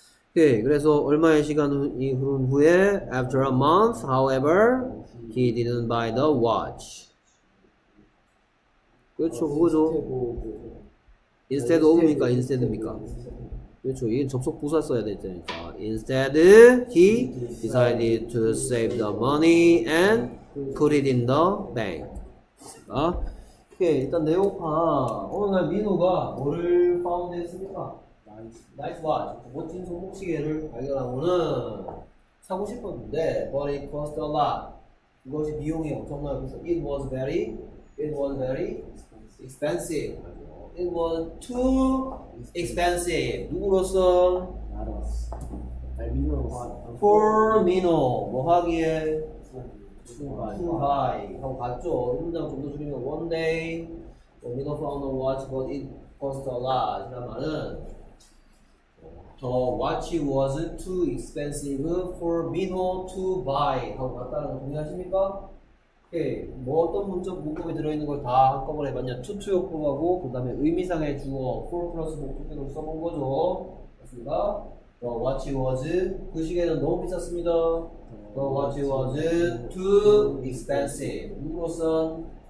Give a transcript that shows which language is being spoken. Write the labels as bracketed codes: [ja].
[ko] 오케이, 그래서 얼마의 시간이 흐른 후에 [en] after a month, however. He didn't buy the watch. [ko] 그렇죠, 그거죠. Instead of 입니까? Instead입니까? 그렇죠, 이 접속 부사 써야 될 테니까. [en] Instead, he decided to save the money and put it in the bank. [ko] 아, 오케이, 일단 내용판. 어느 날 민호가 뭐를 found 했습니까? [en] Nice watch. [ko] 멋진 손목시계를 발견하고는 사고 싶었는데, [en] but it cost a lot. [ko] 이것이 비용이 엄청나게 비싸. [en] It was very expensive. It was too expensive. [ko] 누구로서? 나로서. [en] For Mino. [ko] 뭐 하기에? [en] Too high. [ko] 하고 갔죠. 문장 좀 더 줄이면 [en] One day, Mino found a watch, but it cost a lot. [ko] 그러면은 [en] The watch was too expensive for Mino to buy. [ko] 하고 왔다는 거 동의하십니까? 오케이. 뭐 어떤 문적 문법이 들어있는 걸 다 한꺼번에 봤냐. to 역법하고, 그 다음에 의미상의 주어, for 플러스 목적으로 써본 거죠. 맞습니다. [en] The watch was, [ko] 그 시계는 너무 비쌌습니다. [en] The watch was too expensive. [ko] 누구로선?